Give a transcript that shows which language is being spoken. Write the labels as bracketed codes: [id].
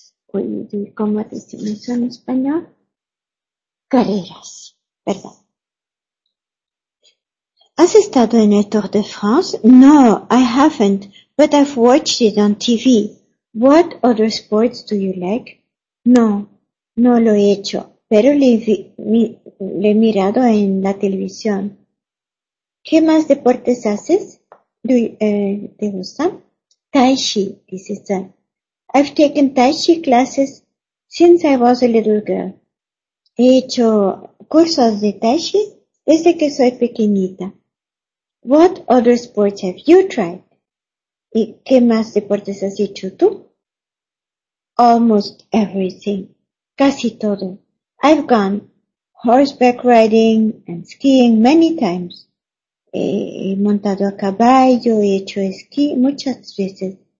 [es] ¿Cómo decimos en español? Carreras. Perdón. ¿Has estado en el Tour de France? [en] No, I haven't, but I've watched it on TV. What other sports do you like? No. [es] No lo he hecho, pero le he mirado en la televisión. ¿Qué más deportes haces? ¿Te gusta? [en] Tai Chi, [es] dice Sam. [en] I've taken Tai Chi classes since I was a little girl. [es] He hecho cursos de Tai Chi desde que soy pequeñita. [en] What other sports have you tried? [es] ¿Y qué más deportes has hecho tú? [en] Almost everything. [es] Casi todo. [en] I've gone horseback riding and skiing many times. [es] He montado a caballo, he hecho esquí muchas veces.